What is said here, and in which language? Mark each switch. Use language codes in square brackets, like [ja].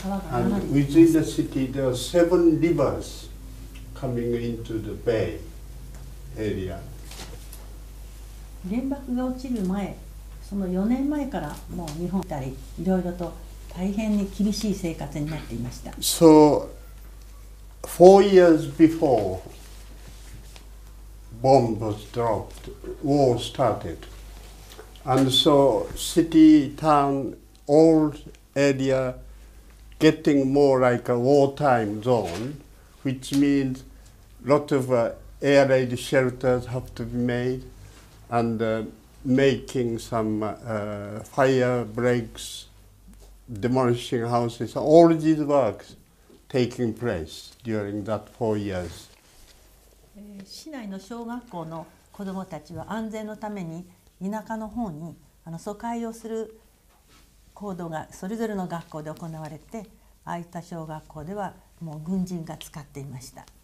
[en] And within the city, there are 7 rivers coming into the bay area. [ja] 原爆が落ちる前、その4年前からもう日本たりいろいろと大変に厳しい生活になっていました。 [en] So, 4 years before bomb was dropped, war started. And so city, town, old area getting more like a wartime zone, which means lot of air raid shelters have to be made and making some fire breaks, demolishing houses, all these works taking place during that 4 years. [ja] 市内の小学校の子どもたちは安全のために田舎の方に疎開をする行動がそれぞれの学校で行われて、ああいった小学校ではもう軍人が使っていました。